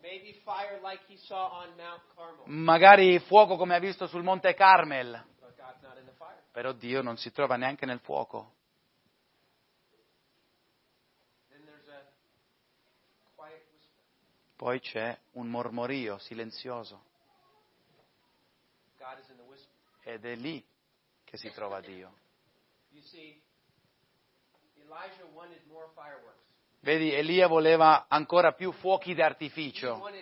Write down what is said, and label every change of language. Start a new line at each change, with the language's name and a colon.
English: Maybe fire like he saw on Mount Carmel.
Italian: Magari fuoco come ha visto sul Monte Carmel.
English: But God's not in the fire.
Italian: Però Dio non si trova neanche nel fuoco.
English: Then there's a quiet whisper.
Italian: Poi c'è un mormorio silenzioso.
English: God is in the whisper.
Italian: Ed è lì che si trova Dio.
English: You see, Elijah wanted more fireworks.
Italian: Vedi, Elia voleva ancora più fuochi d'artificio.